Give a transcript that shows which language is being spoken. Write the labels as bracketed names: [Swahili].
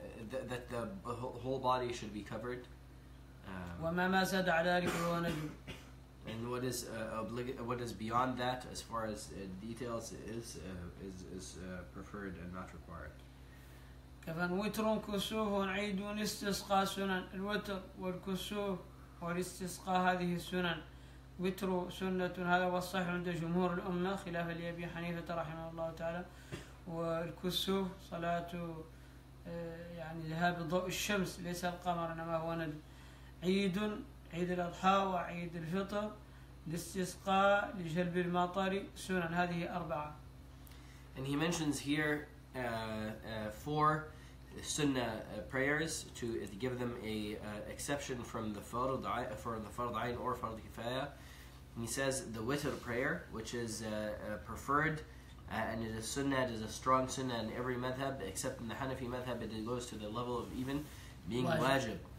[English] that the whole body should be covered [Arabic] وما زاد على ذلك هو ندب [English] and what is what is beyond that as far as details is preferred and not required [Arabic] كفن وتر كسوف عيد استسقاء سنن الوتر والكسوف والاستسقاء هذه السنن وتر سنة هذا والصحيح عند جمهور الأمة خلاف أبي حنيفة رحمه الله تعالى والكسوف صلاة يعني ذهاب ضوء الشمس ليس القمر إنما هو عيد الأضحى وعيد الفطر الاستسقاء لجلب المطر سنن هذه أربعة [English] and he mentions here four Sunnah prayers to give them a exception from the fard ayn or fard kifaya. He says the witr prayer, which is preferred And it is sunnah, it is a strong sunnah in every madhab, except in the Hanafi madhab, it goes to the level of even being wajib.